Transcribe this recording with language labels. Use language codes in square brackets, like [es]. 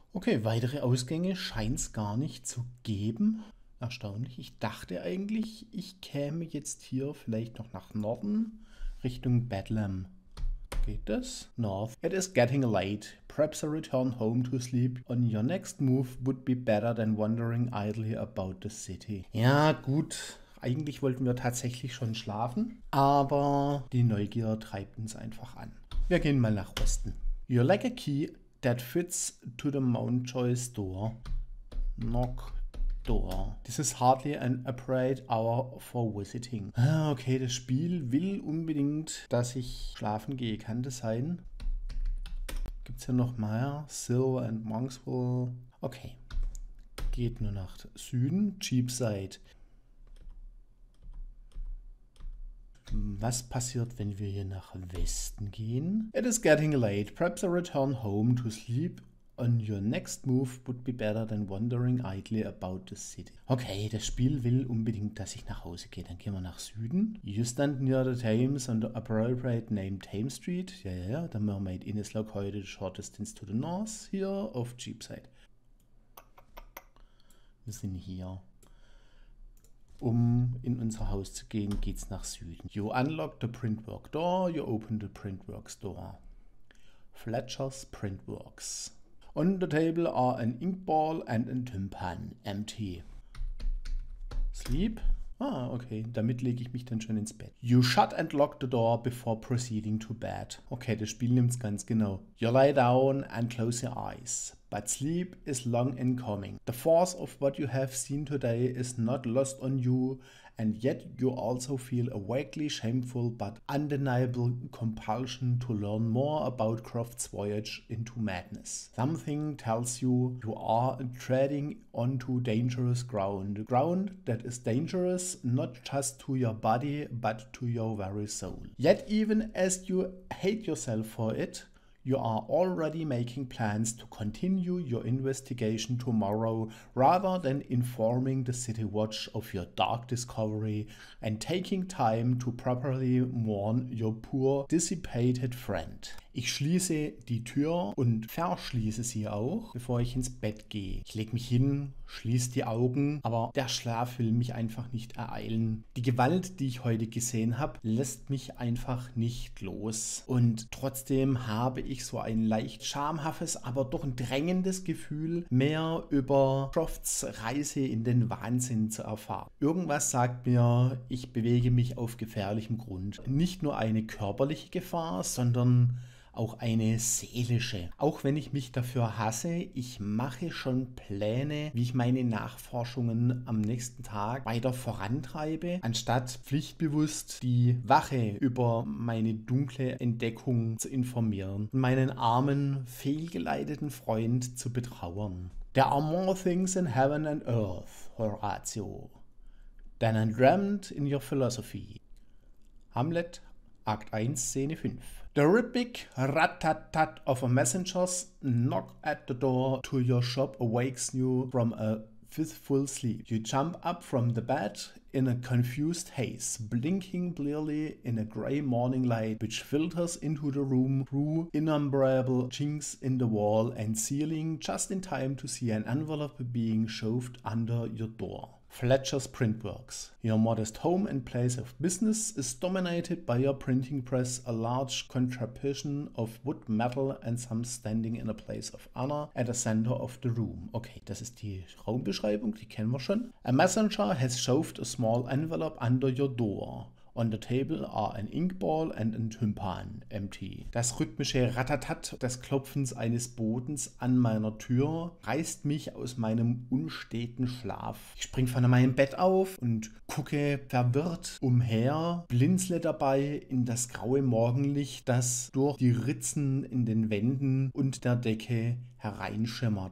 [de] Okay, weitere Ausgänge scheint es gar nicht zu geben. Erstaunlich. Ich dachte eigentlich, ich käme jetzt hier vielleicht noch nach Norden, Richtung Bedlam. Geht das? [en] North. It is getting late. Perhaps a return home to sleep on your next move would be better than wandering idly about the city. [de] Ja, gut. Eigentlich wollten wir tatsächlich schon schlafen, aber die Neugier treibt uns einfach an. Wir gehen mal nach Osten. [en] Your lack a key that fits to the Mountjoy's door. Knock door. This is hardly an appropriate hour for visiting. [de] Ah, okay, das Spiel will unbedingt, dass ich schlafen gehe. Kann das sein? Gibt es hier noch mehr? Silver and Monkswool. Okay. Geht nur nach Süden. Cheapside. Was passiert, wenn wir hier nach Westen gehen? [en] It is getting late. Perhaps a return home to sleep And your next move would be better than wandering idly about the city. [de] Okay, das Spiel will unbedingt, dass ich nach Hause gehe. Dann gehen wir nach Süden. [en] You stand near the Thames on the appropriate name Thames Street. Ja, ja, ja. The Mermaid Inn is located the short distance to the north here of Cheapside. [de] Wir sind hier. Um in unser Haus zu gehen, geht's nach Süden. [en] You unlock the printwork door. You open the printworks door. Fletcher's Printworks. On the table are an inkball and a tympan. Empty. Sleep? Ah, okay. [de] Damit lege ich mich dann schon ins Bett. [en] You shut and lock the door before proceeding to bed. [de] Okay, das Spiel nimmt's ganz genau. [en] You lie down and close your eyes. But sleep is long in coming. The force of what you have seen today is not lost on you. And yet you also feel a vaguely shameful but undeniable compulsion to learn more about Croft's voyage into madness. Something tells you you are treading onto dangerous ground. Ground that is dangerous not just to your body but to your very soul. Yet even as you hate yourself for it, you are already making plans to continue your investigation tomorrow rather than informing the city watch of your dark discovery and taking time to properly mourn your poor dissipated friend. [de] Ich schließe die Tür und verschließe sie auch, bevor ich ins Bett gehe. Ich lege mich hin, schließe die Augen, aber der Schlaf will mich einfach nicht ereilen. Die Gewalt, die ich heute gesehen habe, lässt mich einfach nicht los. Und trotzdem habe ich so ein leicht schamhaftes, aber doch ein drängendes Gefühl, mehr über Crofts Reise in den Wahnsinn zu erfahren. Irgendwas sagt mir, ich bewege mich auf gefährlichem Grund. Nicht nur eine körperliche Gefahr, sondern auch eine seelische. Auch wenn ich mich dafür hasse, ich mache schon Pläne, wie ich meine Nachforschungen am nächsten Tag weiter vorantreibe, anstatt pflichtbewusst die Wache über meine dunkle Entdeckung zu informieren und meinen armen, fehlgeleiteten Freund zu betrauern. [en] There are more things in heaven and earth, Horatio, than I dreamt in your philosophy. [de] Hamlet, Akt 1, Szene 5. [en] The rhythmic rat-tat-tat of a messenger's knock at the door to your shop awakes you from a fitful sleep. You jump up from the bed in a confused haze, blinking blearily in a grey morning light which filters into the room through innumerable chinks in the wall and ceiling just in time to see an envelope being shoved under your door. Fletcher's Printworks. Your modest home and place of business is dominated by your printing press, a large contraption of wood, metal and some standing in a place of honor at the center of the room. [de] Okay, das ist die Raumbeschreibung, die kennen wir schon. [en] A messenger has shoved a small envelope under your door. On the table are an inkball and a tympan, empty. [de] Das rhythmische Ratatat des Klopfens eines Bodens an meiner Tür reißt mich aus meinem unsteten Schlaf. Ich springe von meinem Bett auf und gucke verwirrt umher, blinzle dabei in das graue Morgenlicht, das durch die Ritzen in den Wänden und der Decke hereinschimmert.